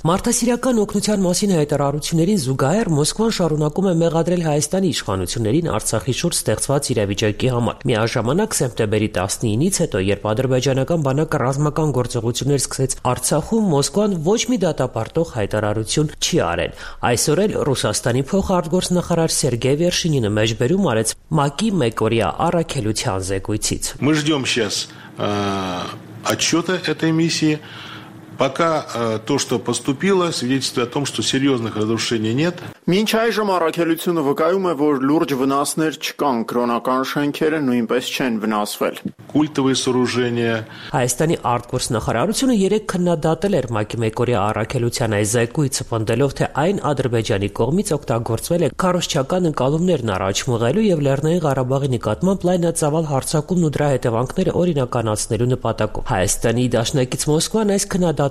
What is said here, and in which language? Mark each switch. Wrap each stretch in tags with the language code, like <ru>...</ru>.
<hy>Մարդասիրական օգնության մասին հայտարարություններին զուգահեռ Մոսկվան շարունակում է մեղադրել Հայաստանի իշխանություններին Արցախի շուրջ ստեղծված իրավիճակի համար։ Միաժամանակ սեպտեմբերի 19-ից հետո, երբ ադրբեջանական բանակը ռազմական գործողություններ սկսեց Արցախում, Մոսկվան ոչ մի դատապարտող հայտարարություն չի արել։ Այսօր էլ Ռուսաստանի փոխարտգործնախարար Սերգեյ Վերշինինը մեջբերում արեց ՄԱԿ-ի մեկօրյա առաքելության զեկույցից։</hy> <ru>Мы ждём сейчас отчёта этой миссии. Пока то, что поступило, свидетельствует о том, что серьёзных разрушений нет.</ru> <hy>Մինչ այժմ առաքելությունը վկայում է, որ լուրջ վնասներ չկան, քրոնական շենքերը նույնպես չեն վնասվել։</hy> <ru>Культовые сооружения.</ru> <hy>Հայաստանի արտգործնախարարությունը երեք քննադատել էր ՄԱԿ-ի մեկօրյա առաքելության այս զեկույցը, պնդելով, թե այն ադրբեջանի կողմից օգտագործվել է քարոշչական ընկալումներն առաջ մղելու և Լեռնային Ղարաբաղի նկատմամբ լայնածավալ հարձակումն ու դրա հետևանքները օրինականացնելու նպատակով։ Հայաստանի դաշնակից Մոսկվան այս քննադատ</hy>